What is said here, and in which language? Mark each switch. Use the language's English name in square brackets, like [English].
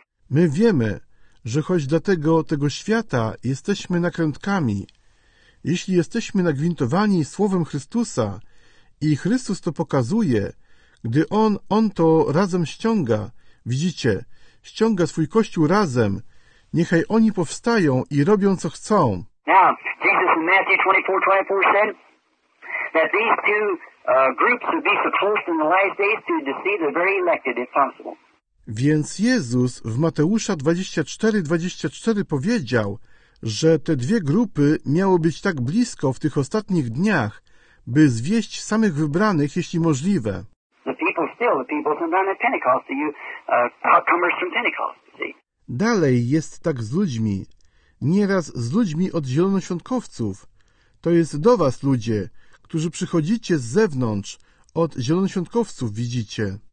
[Polish] My wiemy, że choć dlatego tego świata jesteśmy nakrętkami, jeśli jesteśmy nagwintowani Słowem Chrystusa i Chrystus to pokazuje, gdy On to razem ściąga, widzicie, ściąga swój Kościół razem, niechaj oni powstają i robią, co chcą. [English] Now, Jesus in Matthew 24:24 said that these two groups would be so close in the last days to deceive the very elected, if possible. [Polish] Więc Jezus w Mateusza 24:24 powiedział, że te dwie grupy miały być tak blisko w tych ostatnich dniach, by zwieść samych wybranych, jeśli możliwe. [English] The people still, the people sometimes at Pentecost, you outcomers from Pentecost, you see. [Polish] Dalej jest tak z ludźmi, nieraz z ludźmi od zielonoświątkowców. To jest do was, ludzie, którzy przychodzicie z zewnątrz, od zielonoświątkowców, widzicie.